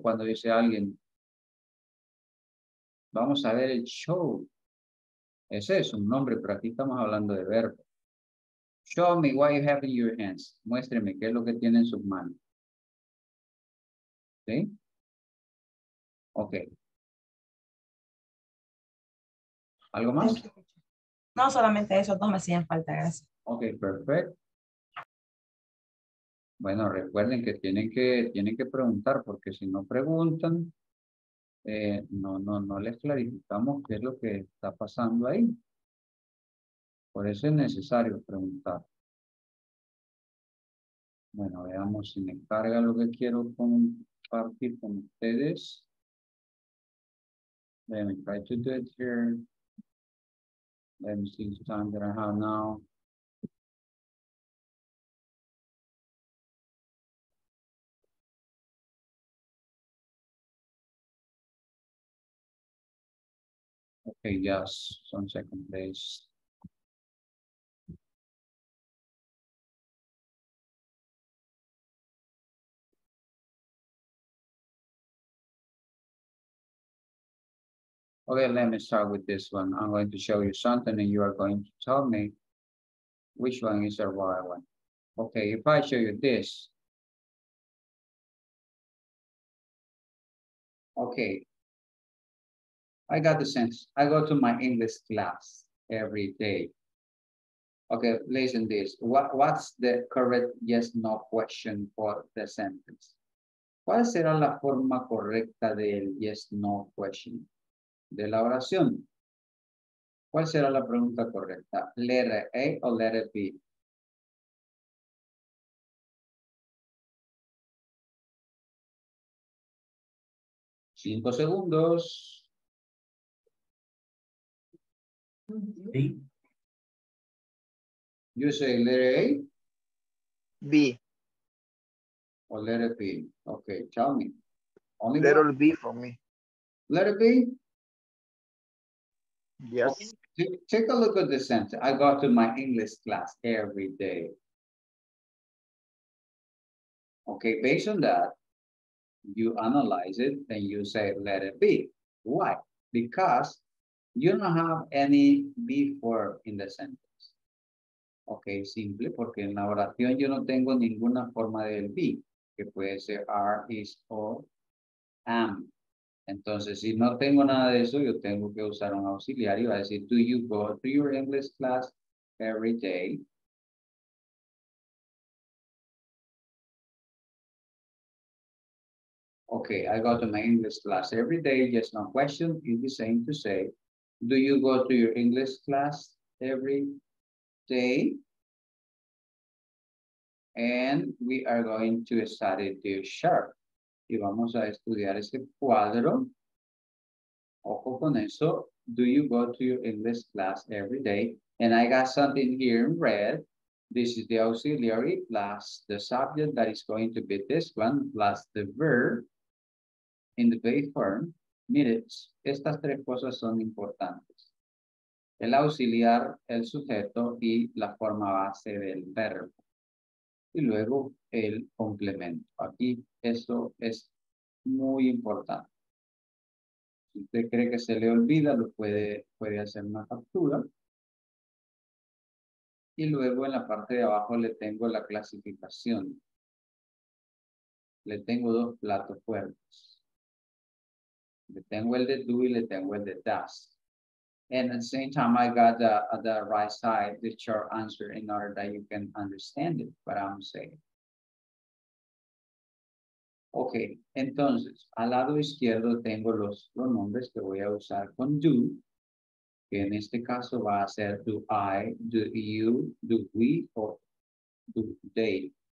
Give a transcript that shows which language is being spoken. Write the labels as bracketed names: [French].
[Spanish] Cuando dice alguien, vamos a ver el show. Ese es un nombre, pero aquí estamos hablando de verbo. [English] Show me what you have in your hands. [Spanish] Muéstreme qué es lo que tiene en sus manos. ¿Sí? Ok. ¿Algo más? No, solamente esos dos me hacían falta, gracias. Ok, perfecto. Bueno, recuerden que tienen que preguntar, porque si no preguntan, no les clarificamos qué es lo que está pasando ahí. Por eso es necesario preguntar. Bueno, veamos si me carga lo que quiero compartir con ustedes. [English] Let me try to do it here. Let me see the time that I have now. Okay, yes, one second, please. Okay, let me start with this one. I'm going to show you something and you are going to tell me Which one is the right one? Okay, if I show you this. Okay. I got the sense. I go to my English class every day. Okay, listen to this. What's the correct yes, no question for the sentence? [Spanish] ¿Cuál será la forma correcta del yes, no question? De la oración. ¿Cuál será la pregunta correcta? [English] ¿Letter A o letter B? [Spanish] Cinco segundos. [English] B. You say letter A? B. Or letter B? Okay, tell me. Only letter B for me. Letter B? Yes. Take a look at the sentence. I go to my English class every day. Okay, based on that, you analyze it and you say letter B. Why? Because you don't have any before in the sentence. [Spanish] Okay, simple, porque en la oración yo no tengo ninguna forma del B, que puede ser are, is, or, am. Entonces, si no tengo nada de eso, yo tengo que usar un auxiliar y va a decir, [English] do you go to your English class every day? Okay, I go to my English class every day. Yes, no question. It's the same to say, do you go to your English class every day? And we are going to study the chart. [Spanish] Y vamos a estudiar ese cuadro. Ojo con eso. [English] Do you go to your English class every day? And I got something here in red. This is the auxiliary plus the subject that is going to be this one plus the verb in the base form. [Spanish] Miren, estas tres cosas son importantes. El auxiliar, el sujeto y la forma base del verbo. Y luego el complemento. Aquí esto es muy importante. Si usted cree que se le olvida, lo puede hacer una captura. Y luego en la parte de abajo le tengo la clasificación. Le tengo dos platos fuertes. Le tengo el de do y le tengo el de does. [English] And at the same time, I got the right side, the short answer in order that you can understand it, what I'm saying. [Spanish] Okay, entonces, al lado izquierdo tengo los pronombres que voy a usar con do, que en este caso va a ser [English] do I, do you, do we, or do they.